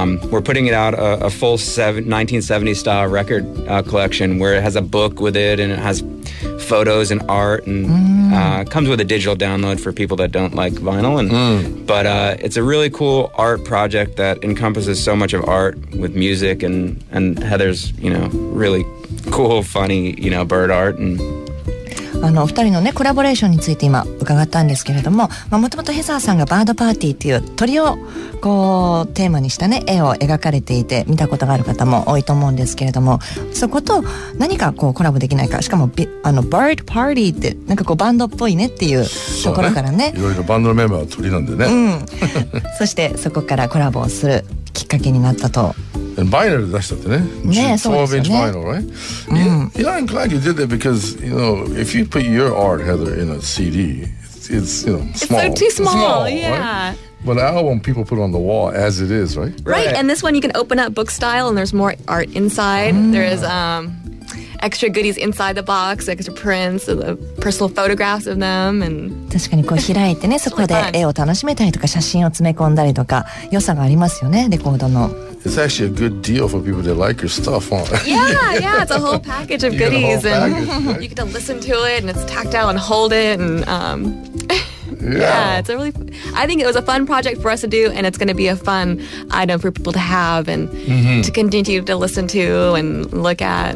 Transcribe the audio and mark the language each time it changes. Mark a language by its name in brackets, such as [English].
[English] We're putting it out a full 1970s style record collection where it has a book with it and it has photos and art and comes with a digital download for people that don't like vinyl. And but it's a really cool art project that encompasses so much of art with music and Heather's, you know, really cool, funny, you know, bird art and... [Japanese] あのお二人のねコラボレーションについて今伺ったんですけれどももともとヘザーさんがバードパーティーっていう鳥をこうテーマにしたね絵を描かれていて見たことがある方も多いと思うんですけれどもそこと何かこうコラボできないかしかもあのバードパーティーってなんかこうバンドっぽいねっていうところから ねいろいろバンドのメンバーは鳥なんでね、そしてそこからコラボをするきっかけになったと [English] And vinyl [Japanese] 出したってね。 [English] 12-inch vinyl, right? You know, I'm glad you did that because, you know, if you put your art, Heather, in a CD, it's, you know, small. It's so too small, yeah. Right? But an album people put on the wall as it is, right? Right, and this one you can open up book style and there's more art inside. There is extra goodies inside the box, extra prints, the personal photographs of them. And [Japanese] 確かにこう開いてね、そこで絵を楽しめたりとか写真を詰め込んだりとか、良さがありますよね、レコードの。 [English] It's actually a good deal for people that like your stuff, huh? Yeah, it's a whole package of goodies, package, and you get to listen to it, and it's tactile and hold it, and Yeah, it's a really, I think it was a fun project for us to do, and it's going to be a fun item for people to have and to continue to listen to and look at.